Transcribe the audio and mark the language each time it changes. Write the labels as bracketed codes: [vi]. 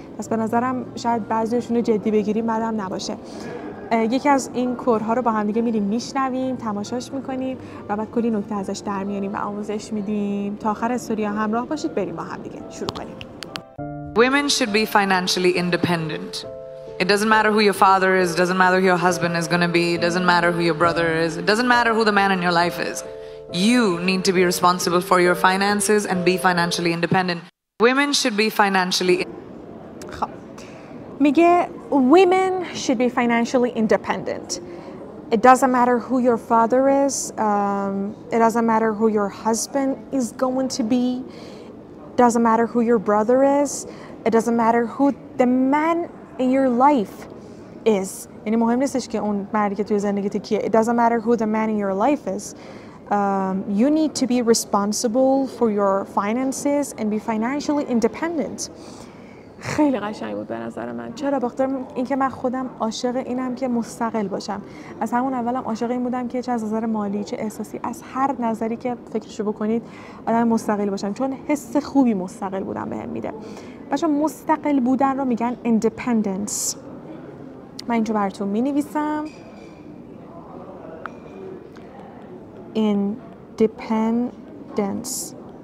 [fa] پس به نظرم شاید بعضیشون رو جدی بگیریم بعدم نباشه. یکی از این کورها رو با هم دیگه میریم میشنویم، تماشاش میکنیم و بعد کلی نکته ازش در میاریم و آموزش میدیم. تا آخر استوری همراه باشید، بریم با هم دیگه شروع کنیم. [en] Women should be financially independent. It doesn't matter who your father is, doesn't matter who your husband is going to be, doesn't matter who your brother is, doesn't matter who the man in your life is. You need to be responsible for your finances and be financially independent. Women should be financially [fa] میگه [en] women should be financially independent. It doesn't matter who your father is, it doesn't matter who your husband is going to be, doesn't matter who your brother is, it doesn't matter who the man in your life is. [fa] یعنی مهم نیستش که اون مردی که توی زندگیت کیه. [en] It doesn't matter who the man in your life is. You need to be responsible for your finances and be financially independent. [fa] خیلی قشنگ بود به نظر من. چرا؟ بخاطر اینکه من خودم عاشق اینم که مستقل باشم. از همون اولم عاشق این بودم که چه از نظر مالی، چه احساسی، از هر نظری که فکرشو بکنید آدم مستقل باشم، چون حس خوبی مستقل بودن بهم میده. بچه مستقل بودن رو میگن independence. من اینجا براتون مینویسم independence.